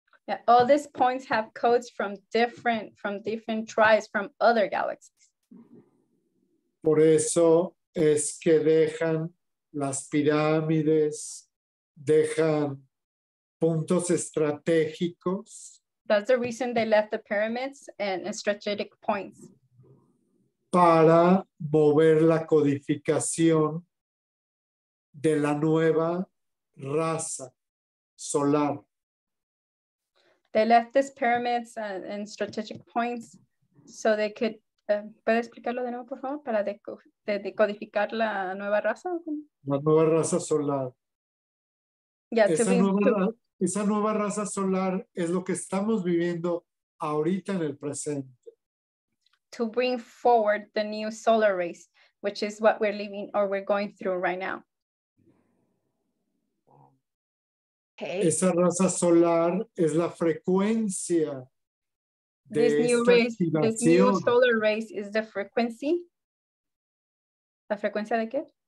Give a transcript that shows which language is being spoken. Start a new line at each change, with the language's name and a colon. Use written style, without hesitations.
English: Yeah, all these points have codes from different tribes from other galaxies.
Spanish: Por eso es que dejan las pirámides, dejan puntos estratégicos.
English: That's the reason they left the pyramids and strategic points.
Spanish: Para mover la codificación de la nueva raza solar.
English: They left these pyramids and strategic points so they could.
Spanish: ¿Puede explicarlo de nuevo, por favor? Para decodificar la nueva raza. La nueva raza solar. Yeah, esa nueva raza solar es lo que estamos viviendo ahorita en el presente.
English: To bring forward the new solar race, which is what we're living or we're going through right now.
Spanish: Okay. Esa raza solar es la frecuencia de esta activación.
English: This new solar race is the frequency.
Spanish: ¿La frecuencia de qué?